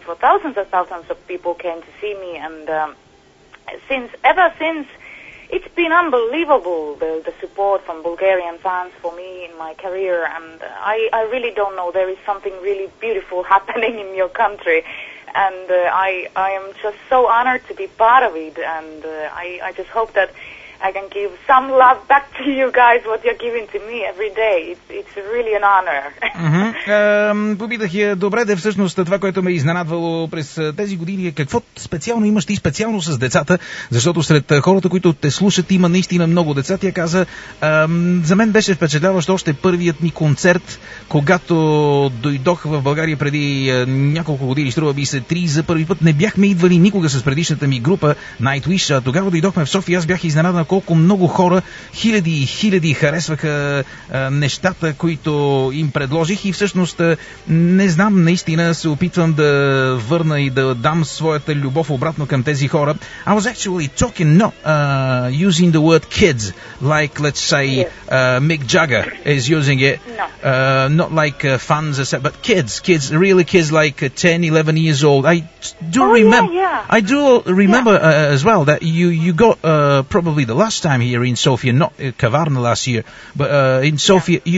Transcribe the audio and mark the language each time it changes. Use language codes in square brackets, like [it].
[en] For thousands and thousands of people came to see me, and Ever since, it's been unbelievable, the support from Bulgarian fans for me in my career, and I really don't know, there is something really beautiful happening in your country, and I am just so honored to be part of it, and I just hope that I can give some love back to you guys, what you're giving to me every day. It's really an honor. [bg] Попитах я, добре, де всъщност това, което ме изненадвало през тези години, е какво специално имаш ти специално с децата, защото сред хората, които те слушат, има наистина много деца. Тя каза, за мен беше впечатляващ още първият ми концерт, когато дойдох в България преди няколко години, струва би се три, за първи път не бяхме идвали никога с предишната ми група Nightwish, а тогава дойдохме в София, аз бях изненадан колко много хора, хиляди и хиляди харесваха нещата, които им предложих, и всъщност не знам, наистина се опитвам да върна и да дам своята любов обратно към тези хора. [en] I was actually talking, no, using the word kids, like, let's say, Mick Jagger is using it, not like fans, but kids, really kids like 10, 11 years old. I do remember as well that you got probably the last time here in Sofia, not Kavarna last year, but in Sofia, yeah.